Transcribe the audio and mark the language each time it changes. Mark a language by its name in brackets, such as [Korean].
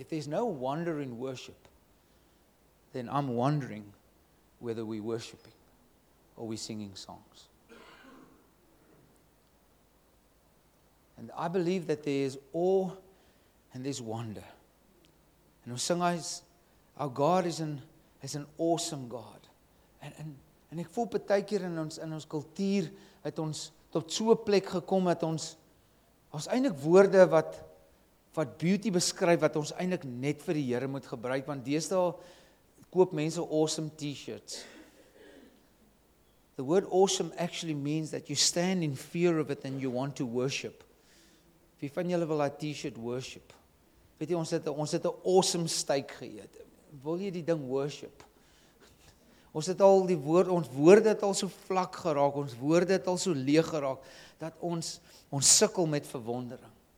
[English] If there's no wonder in worship, then I'm wondering whether we worshiping or we singing songs. And I believe that there is awe and there's wonder. And we sing our God is an awesome God. [Afrikaans] And ek voel baie keer in ons kultuur het ons tot so 'n plek gekom dat ons as eintlik woorde wat beauty beskryf wat ons eintlik net vir die Here moet gebruik want deesdae koop mense awesome t-shirts. [English] The word awesome actually means that you stand in fear of it and you want to worship. [Afrikaans] Wie van julle wil 'n t-shirt worship? Weet jy ons het 'n awesome steak geëet. Wil jy die ding worship? Ons het al die woord, ons woorde het al so vlak geraak, ons woorde het al so leeg geraak, dat ons sukkel met verwondering.